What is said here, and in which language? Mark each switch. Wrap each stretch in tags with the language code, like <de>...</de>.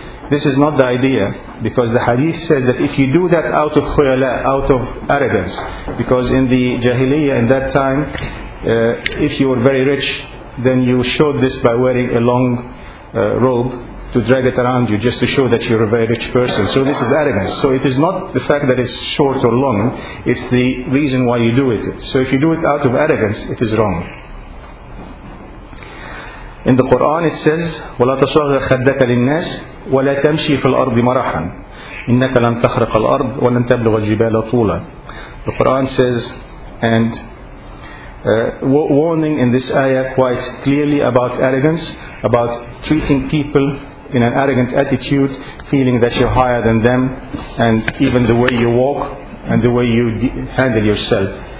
<en>This is not the idea, because the hadith says that if you do that out of khuyala, out of arrogance, because in the jahiliyyah in that time, if you were very rich, then you showed this by wearing a long robe to drag it around you, just to show that you're a very rich person. So this is arrogance. So it is not the fact that it's short or long, it's the reason why you do it. So if you do it out of arrogance, it is wrong.</en> <ar>In the Quran it says, وَلَا تَصَغِرْ خَدَّكَ لِلنَّاسِ وَلَا تَمْشِي فِي الْأَرْضِ مَرَحًا إِنَّكَ لَمْ تَخْرِقَ الْأَرْضِ وَلَمْ تَبْلُغَ الْجِبَالَ طُولًا.</ar> <en>The Quran says, and warning in this ayah quite clearly about arrogance, about treating people in an arrogant attitude, feeling that you're higher than them, and even the way you walk and the way you handle yourself.</en>